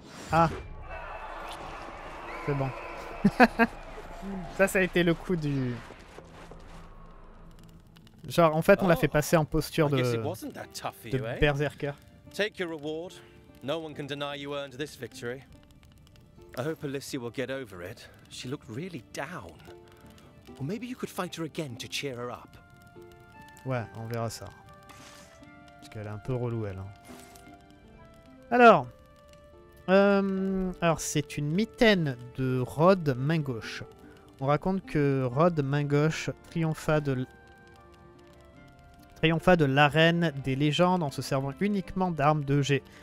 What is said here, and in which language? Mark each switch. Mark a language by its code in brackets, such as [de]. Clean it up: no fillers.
[fr] Ah, c'est bon. Ça a été le coup du... Genre, en fait, on l'a fait passer en posture de berserker. [en] Take your reward. No one can deny you earned this victory. I hope Alicia will get over it. She looked really down. Or maybe you could fight her again to cheer her up. [fr] Ouais, on verra ça. Parce qu'elle est un peu relou, elle. Alors. Alors, c'est une mitaine de Rod Main Gauche. On raconte que Rod Main Gauche triompha de l'arène des légendes en se servant uniquement d'armes 2G.